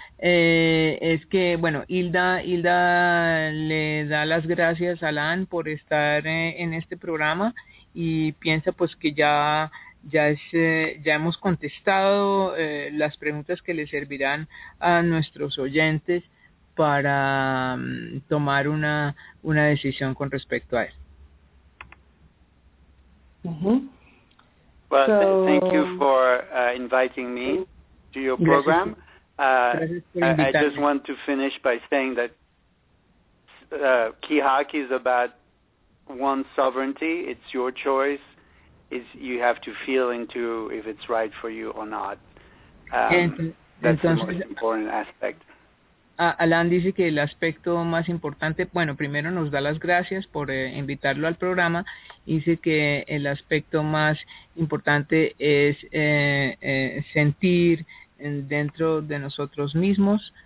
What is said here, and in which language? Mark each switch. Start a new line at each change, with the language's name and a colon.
Spanish: Es que, bueno, Hilda le da las gracias a Alan por estar en este programa y piensa pues que ya hemos contestado las preguntas que le servirán a nuestros oyentes para tomar una decisión con respecto a él.
English: Well, thank you for inviting me to your program.
Spanish: Gracias.
English: I just want to finish by saying that Kihak is about one sovereignty. It's your choice. is you have to feel into if it's right for you or not. That's
Spanish: entonces,
English: the most important aspect.
Spanish: Alan dice que el aspecto más importante, bueno, primero nos da las gracias por invitarlo al programa. Dice que el aspecto más importante es sentir dentro de nosotros mismos.